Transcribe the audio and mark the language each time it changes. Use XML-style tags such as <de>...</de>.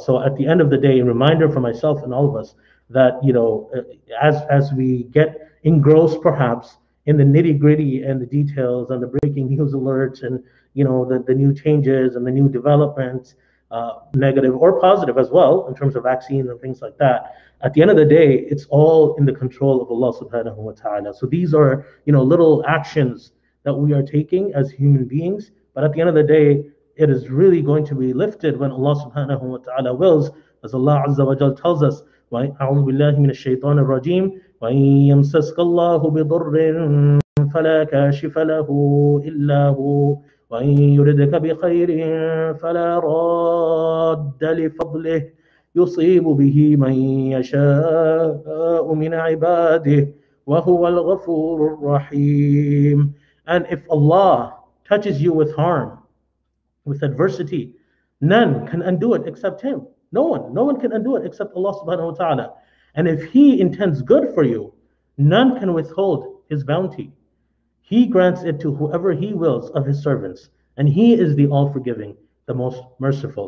<en>So at the end of the day, a reminder for myself and all of us that, you know, as we get engrossed perhaps in the nitty-gritty and the details and the breaking news alerts and, you know, the new changes and the new developments, negative or positive as well, in terms of vaccines and things like that, at the end of the day, it's all in the control of Allah subhanahu wa ta'ala. So these are, you know, little actions that we are taking as human beings. But at the end of the day, it is really going to be lifted when Allah subhanahu wa ta'ala wills, as Allah azza wa jal tells us,</en> <ar>وَأَعُوذُ بِاللَّهِ مِنَ الشَّيْطَانِ الرَّجِيمِ وَإِن يَمْسَسْكَ اللَّهُ بِضُرٍّ فَلَا كَاشِفَ لَهُ إِلَّا هُوَ وَإِن يُرِدْكَ بِخَيْرٍ فَلَا رَادَّ لِفَضْلِهِ يُصِيبُ بِهِ مَن يَشَاءُ مِنْ عِبَادِهِ وَهُوَ الْغَفُورُ الرَّحِيمُ.</ar> <en>And if Allah touches you with harm, with adversity, none can undo it except Him. No one can undo it except Allah subhanahu wa ta'ala. And if He intends good for you, none can withhold His bounty. He grants it to whoever He wills of His servants. And He is the all-forgiving, the most merciful.</en>